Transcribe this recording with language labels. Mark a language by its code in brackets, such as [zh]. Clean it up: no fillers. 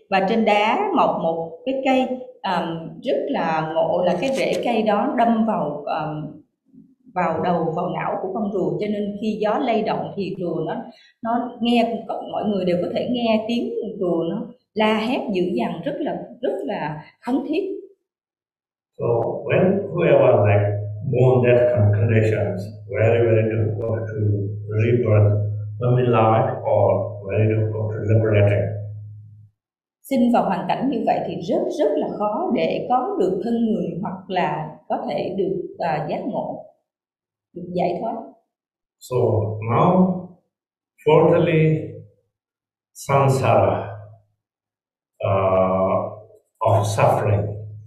[vi] Và trên đá mọc một cái cây rất là ngộ, là cái rễ cây đó đâm vào vào đầu, vào não của con rùa, cho nên khi gió lay động thì rùa nó nghe, mọi người đều có thể nghe tiếng rùa nó la hét dữ dằn, rất là thống thiết. [en] So when whoever like born that conditions, very very difficult to rebirth, very light or very difficult to liberate. [vi] Sinh vào hoàn cảnh như vậy thì rất là khó để có được thân người hoặc là có thể được giác ngộ. Giải thoát. [en] So now, fourthly, samsara of suffering.